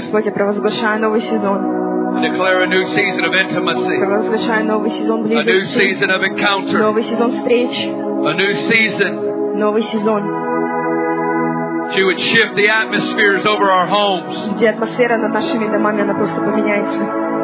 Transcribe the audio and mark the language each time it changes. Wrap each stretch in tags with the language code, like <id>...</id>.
<ru>Господь, я провозглашаю новый сезон.</ru> <en>I declare a new season of intimacy.</en> <ru>Провозглашаю новый сезон близости.</ru> <en>A new season of encounter.</en> <ru>Новый сезон встреч.</ru> <en>A new season.</en> <ru>Новый сезон.</ru> <en>That you would shift the atmospheres over our homes.</en> <ru>Где атмосфера над нашими домами, она просто поменяется.</ru>